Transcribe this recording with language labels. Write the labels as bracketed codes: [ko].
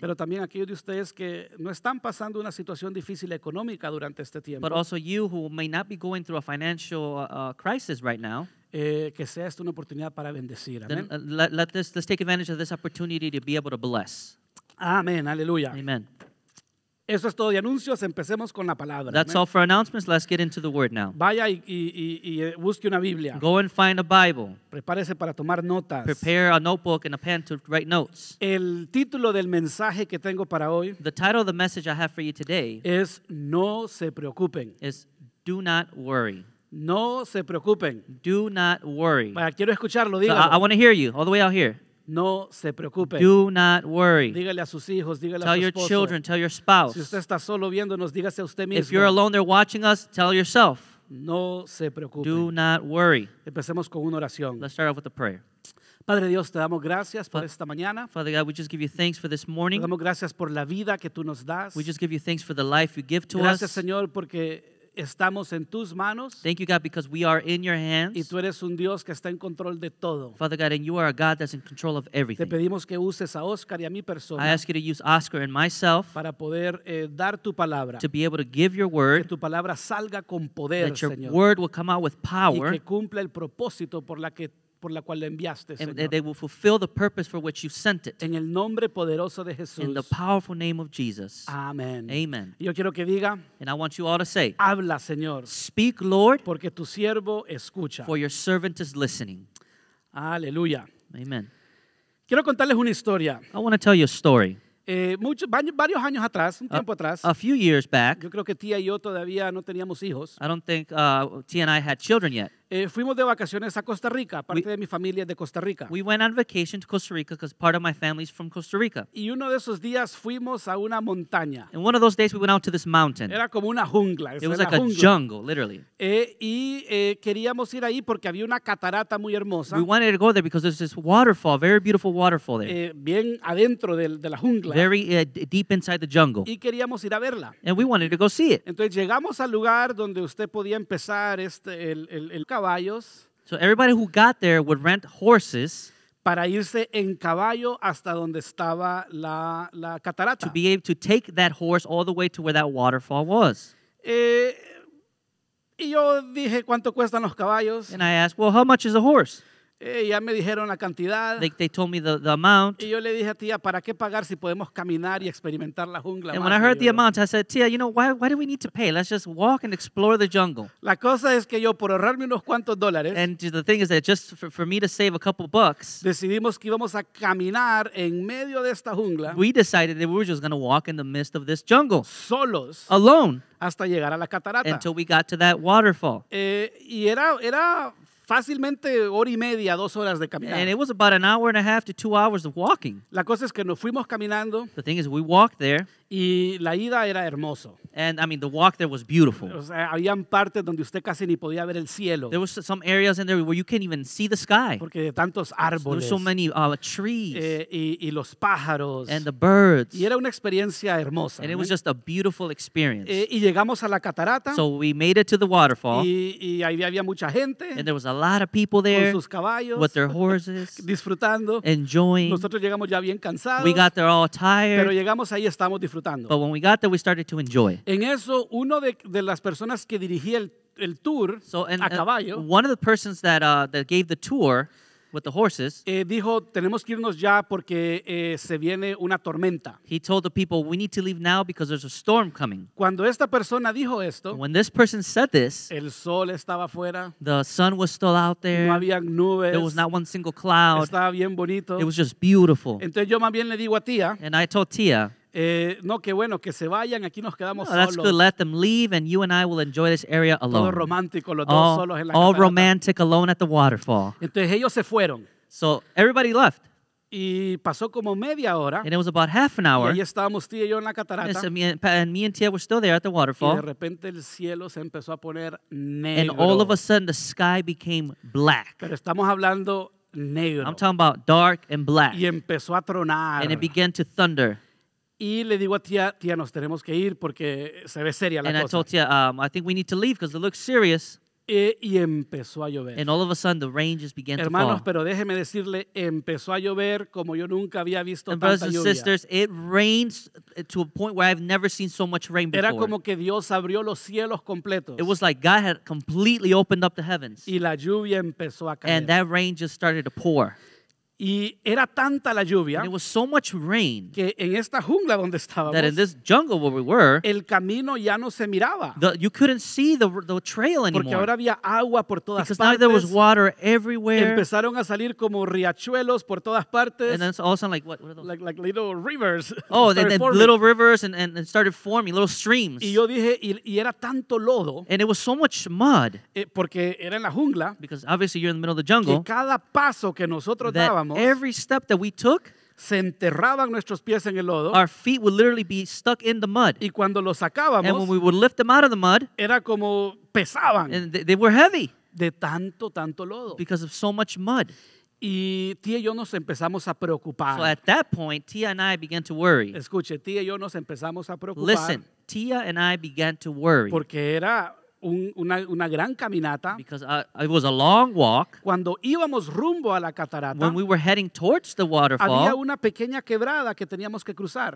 [es] Pero también aquellos de ustedes que no están pasando una situación difícil económica durante este tiempo. [en] But also you who may not be going through a financial crisis right now. [es] Que sea esto una oportunidad para bendecir. [en] Then, let's take advantage of this opportunity to be able to bless. [es] Amén, aleluya. [en] Amen. [es] Eso es todo de anuncios. Empecemos con la palabra. [en] That's all for announcements. Let's get into the word now. [es] Vaya y busque una Biblia. [en] Go and find a Bible. [es] Prepárese para tomar notas. [en] Prepare a notebook and a pen to write notes. [es] El título del mensaje que tengo para hoy. [en] The title of the message I have for you today. [es] Es no se preocupen. [en] Is do not worry. [es] No se preocupen. [en] Do not worry. [es] Vaya, quiero escucharlo. Dígalo. [en] So I want to hear you all the way out here. [es] No se preocupen. [en] Do not worry. [es] Dígale a sus hijos, dígale a su esposo. [en] Tell your children, tell your spouse. [es] Si usted está solo viéndonos, dígase a usted mismo. [en] If you're alone there watching us, tell yourself. [es] No se preocupen. [en] Do not worry. [es] Empecemos con una oración. [en] Let's start off with a prayer. [es] Padre Dios, te damos gracias por esta mañana. [en] Father God, we just give you thanks for this morning. [es] Te damos gracias por la vida que tú nos das. [en] We just give you thanks for the life you give to [es] gracias, Gracias, Señor, porque estamos en tus manos. [en] Thank you, God, because we are in your hands. [es] Y tú eres un Dios que está en control de todo. [en] Father God, and you are a God that's in control of everything. [es] Te pedimos que uses a Oscar y a mi persona. [en] I ask you to use Oscar and myself. [es] Para poder dar tu palabra. [en] To be able to give your word. [es] Que tu palabra salga con poder, Señor. [en] That your word will come out with power. [es] Y que cumpla el propósito por la cual lo enviaste, Señor. [en] And they will fulfill the purpose for which you sent it. [es] En el nombre poderoso de Jesús. [en] In the powerful name of Jesus. [es] Amen. [en] Amen. [es] Yo quiero que diga. [en] And I want you all to say. [es] Habla, Señor. [en] Speak, Lord. [es] Porque tu siervo escucha. [en] For your servant is listening. [es] Aleluya. [en] Amen. [es] Quiero contarles una historia. [en] I want to tell you a story. [es] Varios años atrás, un tiempo atrás. [en] A few years back. [es] Yo creo que tía y yo todavía no teníamos hijos. [en] I don't think tía and I had children yet. [es] Fuimos de vacaciones a Costa Rica, parte de mi familia es de Costa Rica. [en] We went on vacation to Costa Rica because part of my family is from Costa Rica. [es] Y uno de esos días fuimos a una montaña. [en] And one of those days we went out to this mountain. [es] Era como una jungla. [en] It was like [es] jungla. [en] A jungle, literally. [es] Queríamos ir ahí porque había una catarata muy hermosa. [en] We wanted to go there because there's this waterfall, very beautiful waterfall there. [es] Bien adentro de la jungla. [en] Very deep inside the jungle. [es] Y queríamos ir a verla. [en] And we wanted to go see it. [es] Entonces llegamos al lugar donde usted podía empezar el caballos. [en] So everybody who got there would rent horses [es] para irse en caballo hasta donde estaba la catarata. [en] To be able to take that horse all the way to where that waterfall was. [es] Y yo dije, ¿cuánto cuestan los caballos? [en] And I asked, well, how much is a horse? [es] Ya me dijeron la cantidad. [en] They told me the amount. [es] Y yo le dije a tía, ¿para qué pagar si podemos caminar y experimentar la jungla? [en] And when I heard the amount, I said, tía, you know, why do we need to pay? Let's just walk and explore the jungle. [es] La cosa es que yo, por ahorrarme unos cuantos dólares. [en] And the thing is that just for me to save a couple bucks. [es] Decidimos que íbamos a caminar en medio de esta jungla. [en] We decided that we were just going to walk in the midst of this jungle. [es] Solos. [en] Alone. [es] Hasta llegar a la catarata. [en] Until we got to that waterfall. [es] Y era fácilmente hora y media, dos horas de caminar. [en] And it was about an hour and a half to 2 hours of walking. [es] La cosa es que nos fuimos caminando. [en] The thing is we walked there. [es] Y la ida era hermoso. [en] And I mean the walk there was beautiful. [es] O sea, habían partes donde usted casi ni podía ver el cielo. [en] There was some areas in there where you can't even see the sky. [es] Porque de tantos árboles. [en] There's so many trees. [es] Y los pájaros. [en] And the birds. [es] Y era una experiencia hermosa. [en] And it was just a beautiful experience. [es] Y llegamos a la catarata. [en] So we made it to the waterfall. [es] Y ahí había mucha gente. [en] And there was a lot of people there. [es] Con sus caballos. [en] With their horses. [es] Disfrutando. [en] Enjoying. [es] Nosotros llegamos ya bien cansados. [en] We got there all tired. [es] Pero llegamos ahí, estábamos disfrutando. disfrutando. [en] But when we got there, we started to enjoy. [es] En eso, uno de las personas que dirigía el tour a caballo. [en] One of the persons that that gave the tour with the horses. [es] Dijo, tenemos que irnos ya porque se viene una tormenta. [en] He told the people, we need to leave now because there's a storm coming. [es] Cuando esta persona dijo esto, [en] when this person said this, [es] el sol estaba afuera. [en] The sun was still out there. [es] No había nubes. [en] There was not one single cloud. [es] Estaba bien bonito. [en] It was just beautiful. [es] Entonces yo más bien le digo a tía. [en] And I told tía. [es] No, qué bueno, que se vayan, aquí nos quedamos solos. [en] That's good, let them leave and you and I will enjoy this area alone. [es] Todo romántico, los dos solos en la catarata. [en] All romantic alone at the waterfall. [es] Entonces ellos se fueron. [en] So everybody left. [es] Y pasó como media hora. [en] And it was about half an hour. [es] Y ahí estábamos tía y yo en la catarata. [en] And me and tía were still there at the waterfall. [es] Y de repente el cielo se empezó a poner negro. [en] And all of a sudden the sky became black. [es] Pero estamos hablando negro. [en] I'm talking about dark and black. [es] Y empezó a tronar. [en] And it began to thunder. [es] Y le digo a tía, tía, nos tenemos que ir porque se ve seria la [en] and And I told tía, I think we need to leave because it looks serious. [es] Y empezó a llover. [en] And all of a sudden, the rain just began [es] hermanos, [en] to fall. [es] Hermanos, pero déjeme decirle, empezó a llover como yo nunca había visto [en] and [es] lluvia. [en] And brothers and sisters, it rains to a point where I've never seen so much rain before. [es] Era como que Dios abrió los cielos completos. [en] It was like God had completely opened up the heavens. [es] Y la lluvia empezó a caer. [en] And that rain just started to pour. [es] Y era tanta la lluvia [en] it was so much rain [es] que en esta jungla donde estábamos [en] that in this jungle where we were, [es] el camino ya no se miraba. [en] You couldn't see the trail anymore. [es] Porque ahora había agua por todas [en] because [es] partes. [en] Now there was water everywhere. [es] Empezaron a salir como riachuelos por todas partes. [en] And then it's also like, what are those? Like little rivers. Oh, then little rivers and started forming, little streams. [es] Y yo dije, y era tanto lodo. [en] And it was so much mud. [es] Porque era en la jungla. [en] Because obviously you're in the middle of the jungle. [es] Y cada paso que nosotros dábamos. [en] Every step that we took, [es] se enterraban nuestros pies en el lodo. [en] Our feet would literally be stuck in the mud. [es] Y cuando los sacábamos, [en] and when we would lift them out of the mud, [es] era como pesaban. [en] And they were heavy. [es] De tanto, tanto lodo. [en] Because of so much mud. [es] Y tía y yo nos empezamos a preocupar. [en] So at that point, tía and I began to worry. [es] Escuche, tía y yo nos empezamos a preocupar. [en] Listen, tía and I began to worry. [es] Porque era una gran caminata. [en] Because it was a long walk. [es] Cuando íbamos rumbo a la catarata, [en] when we were heading towards the waterfall, [es] había una pequeña quebrada que teníamos que cruzar.